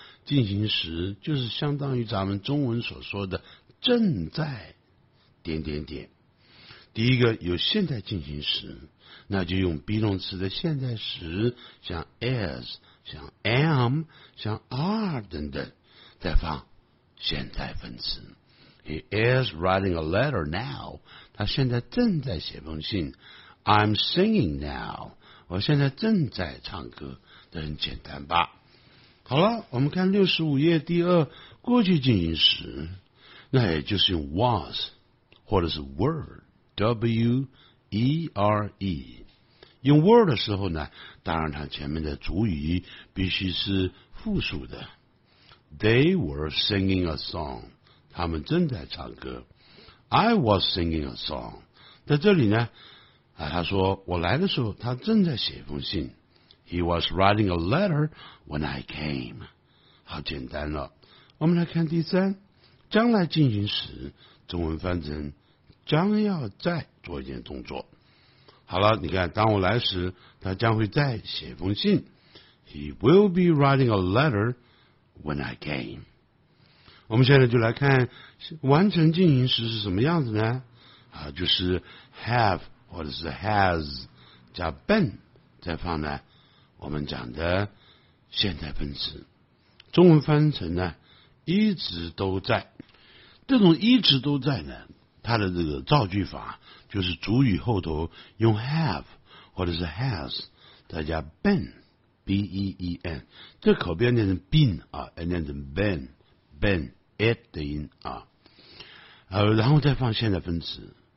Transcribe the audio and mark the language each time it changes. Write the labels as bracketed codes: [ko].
[zh] 进行时就是相当于咱们中文所说的正在点点点。第一个有现在进行时，那就用 be 动词的现在时，像 is， 像 am， 像 are 等等，再放现在分词。 [en] He is writing a letter now， [zh] 他现在正在写封信。 [en] I'm singing now， [zh] 我现在正在唱歌，这很简单吧。好了，我们看65页第二，过去进行时，那也就是用 was 或者是 were， W-E-R-E。用 were 的时候呢，当然它前面的主语必须是复数的， [en] They were singing a song， [zh] 他们正在唱歌。 [en] I was singing a song， [zh] 在这里呢、他说我来的时候他正在写一封信。 [en] He was writing a letter when I came， [zh] 好简单了。我们来看第三，将来进行时中文翻成将要再做一件动作。好了，你看当我来时他将会再写一封信， [en] He will be writing a letter when I came。 [zh] 我们现在就来看完成进行时是什么样子呢？就是 have 或者是 has 加 been， 再放呢我们讲的现在分词。中文翻成呢一直都在，这种一直都在呢，它的这个造句法就是主语后头用 have 或者是 has 再加 been， B-E-E-N， 这口边念成 been 啊，念成 been， been it 的音啊，然后再放现在分词。